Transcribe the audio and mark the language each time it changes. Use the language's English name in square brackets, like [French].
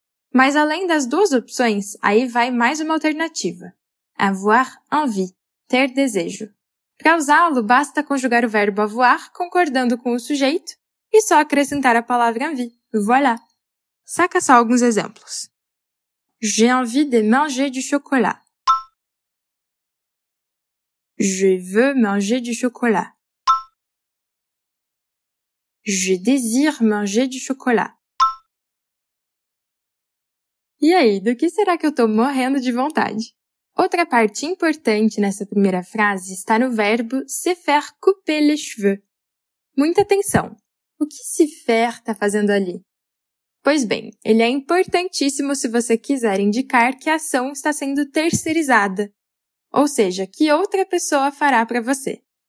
[Portuguese] Mas além das duas opções, aí vai mais uma alternativa. Avoir envie, ter desejo. Para usá-lo, basta conjugar o verbo avoir concordando com o sujeito e só acrescentar a palavra envie. Voilà. Saca só alguns exemplos. [French] J'ai envie de manger du chocolat. Je veux manger du chocolat. Je désire manger du chocolat. [Portuguese] E aí, do que será que eu estou morrendo de vontade? Outra parte importante nessa primeira frase está no verbo [French] se faire couper les cheveux. [Portuguese] Muita atenção! O que se faire está fazendo ali? Pois bem, ele é importantíssimo se você quiser indicar que a ação está sendo terceirizada, ou seja, que outra pessoa fará para você.